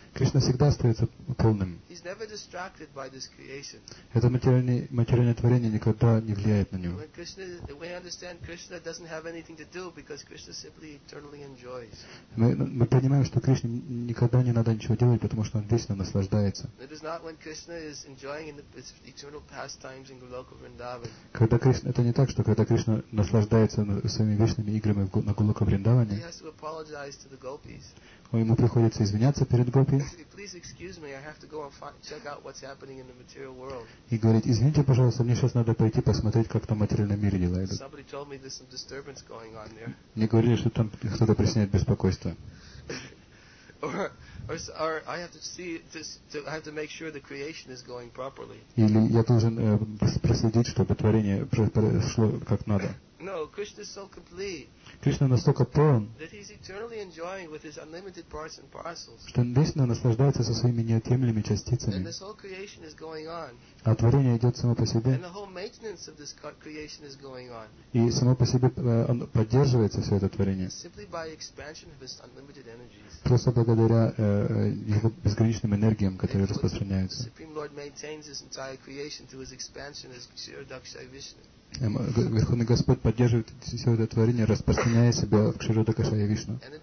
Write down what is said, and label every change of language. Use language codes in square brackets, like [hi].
[ru] Кришна всегда остается полным. [en] He's never distracted by this creation. [ru] Это материальное творение никогда не влияет на него. [en] When Krishna, we understand Krishna doesn't have anything to do because Krishna simply eternally enjoys. [ru] Мы понимаем, что Кришне никогда не надо ничего делать, потому что он вечно наслаждается. [en] It is not when Krishna is enjoying in the eternal pastimes in Goloka Vrindavan. [ru] Когда Кришна, это не так, что когда Кришна наслаждается своими вечными играми на Голока Вриндаване, [en] he has to apologize to the gopis. [ru] Ему приходится извиняться перед гопи. [en] Please excuse me, I have to go and check out what's happening in the material world. [ru] И говорит: извините, пожалуйста, мне сейчас надо пойти посмотреть, как там в материальном мире дела идут. [en] Somebody told me there's some disturbance going on there. [ru] Мне говорили, что там кто-то причиняет беспокойство. [en] Or I have to see this. I have to make sure the creation is going properly. [ru] Или я должен проследить, чтобы творение прошло как надо. [en] No, Krishna is so complete. [ru] Кришна настолько полон, [en] that he's eternally enjoying with his unlimited parts and parcels. [ru] Что он вечно наслаждается со своими неотъемлемыми частицами. [en] And this whole creation is going on. [ru] А творение идет само по себе. [en] And the whole maintenance of this creation is going on. [ru] И само по себе поддерживается все это творение. [en] Simply by expansion of his unlimited energies. [ru] Просто благодаря его безграничным энергиям, которые распространяются. [en] The Supreme Lord maintains his entire creation through his expansion as Shirodakshay Vishnu. [ru] Верховный Господь поддерживает все это творение, распространяя себя в Кширодакшая Вишну.